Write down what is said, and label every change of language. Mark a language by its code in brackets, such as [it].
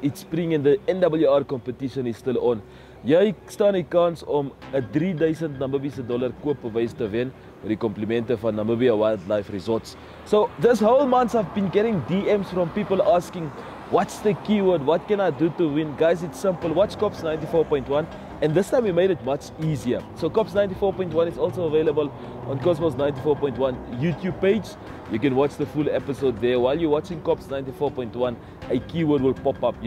[en] It's spring and the NWR competition is still on. [af] Jy staan die kans om 'n 3000 Namibiese dollar koopbewys te wen met die komplimente van Namibia Wildlife Resorts. [en] So, this whole month I've been getting DMs from people asking, what's the keyword? What can I do to win? Guys, it's simple. Watch COPS 94.1. And this time we made it much easier. So COPS 94.1 is also available on Cosmos 94.1 YouTube page. You can watch the full episode there. While you're watching COPS 94.1, a keyword will pop up.